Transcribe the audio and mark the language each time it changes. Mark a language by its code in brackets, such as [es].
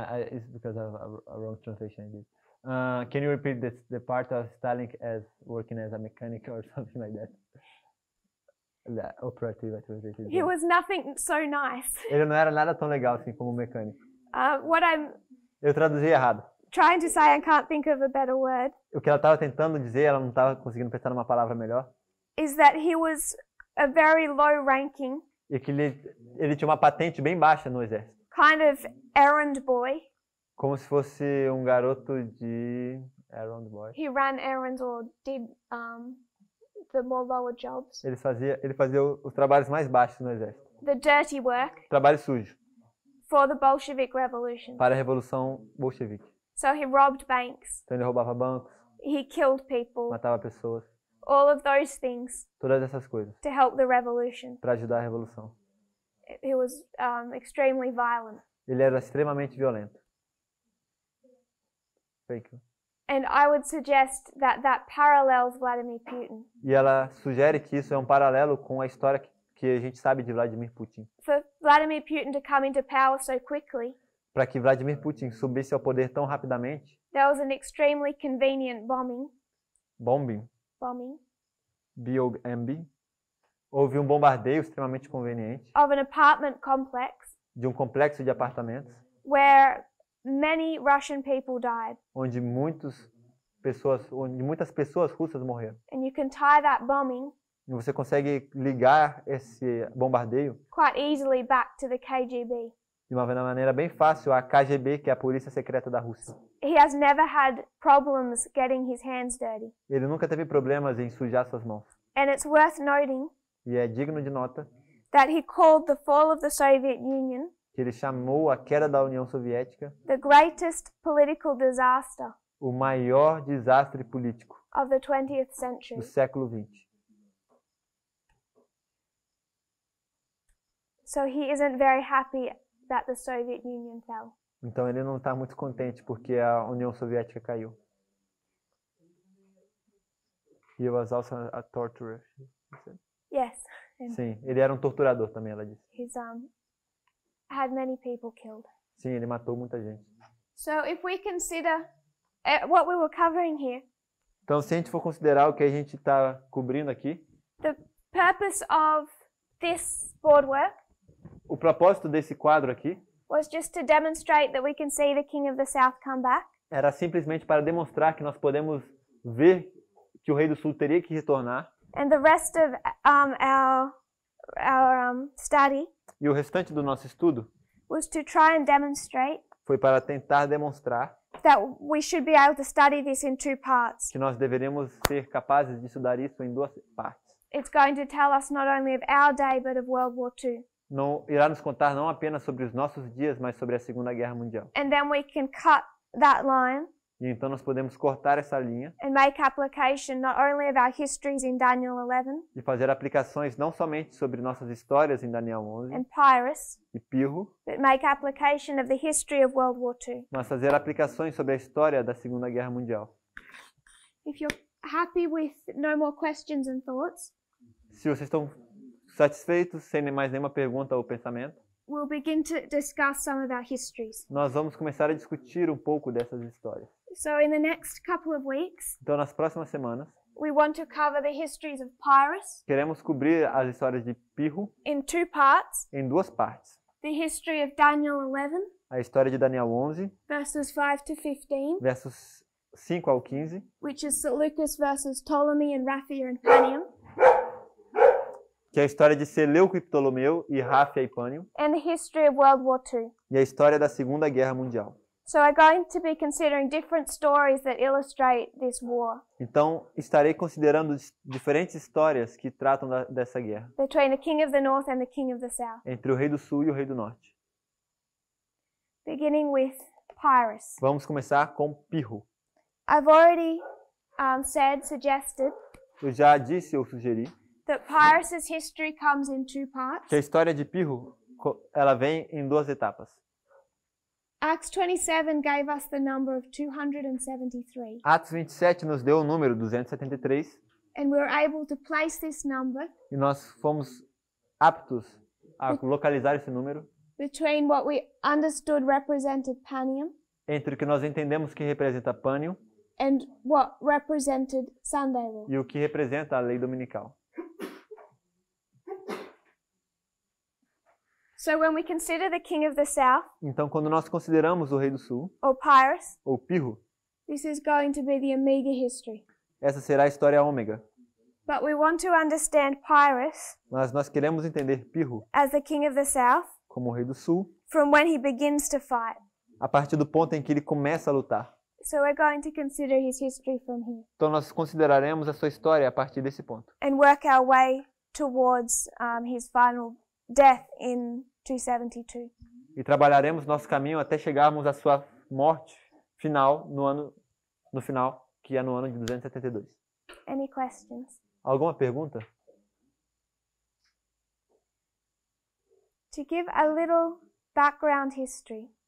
[en] It's because of a wrong translation I did. Can you repeat the part of Stalin as working as a mechanic or something like that? [pt] da operativa. [en] He was nothing so nice. [pt] Ele não era nada tão legal assim como mecânico. [en] What I'm [pt] Eu traduzi errado. [en] Trying to say, I can't think of a better word. [pt] O que ela estava tentando dizer, ela não estava conseguindo pensar numa palavra melhor. [en] Is that he was a very low ranking. [pt] E que ele tinha uma patente bem baixa no exército. [en] Kind of errand boy. [pt] Como se fosse um garoto de [en] errand boy. He ran errands or did the more lower jobs. [pt] Ele fazia os trabalhos mais baixos no exército. [en] The dirty work. [pt] Trabalho sujo. [en] For the Bolshevik Revolution. [pt] Para a Revolução Bolchevique. [en] So he robbed banks. [pt] Então ele roubava bancos. [en] He killed people. [pt] Matava pessoas. [en] All of those things. [pt] Todas essas coisas. [en] To help the revolution. [pt] Para ajudar a revolução. [en] He was extremely violent. [pt] Ele era extremamente violento. [en] Thank you. And I would suggest that that parallels Vladimir Putin. [pt] E ela sugere que isso é um paralelo com a história que a gente sabe de Vladimir Putin. [en] For Vladimir Putin to come into power so quickly. [pt] Para que Vladimir Putin subisse ao poder tão rapidamente. [en] There was an extremely convenient bombing. Bombing. B-O-M-B. [pt] Houve um bombardeio extremamente conveniente. [en] Of an apartment complex. [pt] De um complexo de apartamentos. [en] Where many Russian people died. [pt] Onde muitas pessoas russas morreram. [en] And you can tie that bombing. [pt] E você consegue ligar esse bombardeio. [en] Quite easily back to the KGB. [pt] De uma maneira bem fácil, a KGB, que é a Polícia Secreta da Rússia. [en] He has never had problems getting his hands dirty. [pt] Ele nunca teve problemas em sujar suas mãos. [en] And it's worth noting [pt] e é digno de nota [en] that he called the fall of the Soviet Union, [pt] que ele chamou a queda da União Soviética [en] the greatest political disaster, [pt] o maior desastre político [en] of the 20th century. [pt] Do século 20. [en] So he isn't very happy that the Soviet Union fell. [pt] Então ele não está muito contente porque a União Soviética caiu. [en] He was also a torturer. Yes. [pt] Sim, ele era um torturador também, ela disse. [en] He's had many people killed. [pt] Sim, ele matou muita gente. [en] So if we consider what we were covering here. [pt] Então, se a gente for considerar o que a gente está cobrindo aqui. [en] The purpose of this board work. [pt] O propósito desse quadro aqui [en] was just to demonstrate that we can see the King of the South come back. [pt] Era simplesmente para demonstrar que nós podemos ver que o Rei do Sul teria que retornar. [en] And the rest of our study. [pt] E o restante do nosso estudo [en] was to try and demonstrate. [pt] Foi para tentar demonstrar [en] that we should be able to study this in two parts. [pt] Que nós deveríamos ser capazes de estudar isso em duas partes. [en] It's going to tell us not only of our day but of World War II. [pt] Não, irá nos contar não apenas sobre os nossos dias, mas sobre a Segunda Guerra Mundial. [en] And then we can cut that line. [pt] E então nós podemos cortar essa linha. [en] And make application not only of our histories in Daniel 11. [pt] E fazer aplicações não somente sobre nossas histórias em Daniel 11. [en] And Pyrrhus. [pt] E Pirro. [en] But make application of the history of World War II. [pt] Mas fazer aplicações sobre a história da Segunda Guerra Mundial. [en] If you're happy with no more questions and thoughts. [pt] Se vocês estão satisfeitos, sem mais nenhuma pergunta ou pensamento. [en] We'll begin to discuss some of our histories. [pt] Nós vamos começar a discutir um pouco dessas histórias. [en] So in the next couple of weeks, [pt] então, nas próximas semanas, [en] we want to cover the histories of Pyrrhus. [pt] Queremos cobrir as histórias de Pirro. [en] In two parts. [pt] Em duas partes. [en] The history of Daniel 11. [pt] A história de Daniel 11. [en] Verses 5 to 15. [pt] Versos 5 ao 15. [en] Which is Seleucus versus Ptolemy and Raphia and Panium. [pt] Que é a história de Seleuco e Ptolomeu e Raphia e Pânio. [en] And the history of World War II. [pt] E a história da Segunda Guerra Mundial. [en] So I'm going to be considering different stories that illustrate this war. [pt] Então, estarei considerando diferentes histórias que tratam dessa guerra. [en] Between the King of the North and the King of the South. [pt] Entre o Rei do Sul e o Rei do Norte. [en] Beginning with Pyrrhus. [pt] Vamos começar com Pirro. [en] I've already suggested. [pt] Eu já disse ou sugeri. [en] That Pyrrhus's history comes in two parts. [pt] Que a história de Pirro, ela vem em duas etapas. [en] Acts 27 gave us the number of 273. [pt] Atos 27 nos deu o número 273. [en] And we were able to place this number. [pt] E nós fomos aptos a localizar esse número. [en] Between what we understood represented Panium. [pt] Entre o que nós entendemos que representa Panium. [en] And what represented Sunday law. [pt] E o que representa a lei dominical. [en] So when we consider the king of the south, [pt] então quando nós consideramos o rei do sul, [en] or Pyrrhus, [pt] ou Pirro, [en] this is going to be the Omega history. [pt] Essa será a história ômega. [en] But we want to understand Pyrrhus. [pt] Mas nós queremos entender Pirro [en] as the king of the south, [pt] como o rei do sul, [en] from when he begins to fight. [pt] A partir do ponto em que ele começa a lutar. [en] So we're going to consider his history from here. [pt] Então nós consideraremos a sua história a partir desse ponto. [en] And work our way towards his final death in 272. [pt] E trabalharemos nosso caminho até chegarmos à sua morte final no ano no final, que é no ano de 272. [en] Any questions? [pt] Alguma pergunta? [en] To give a little background history.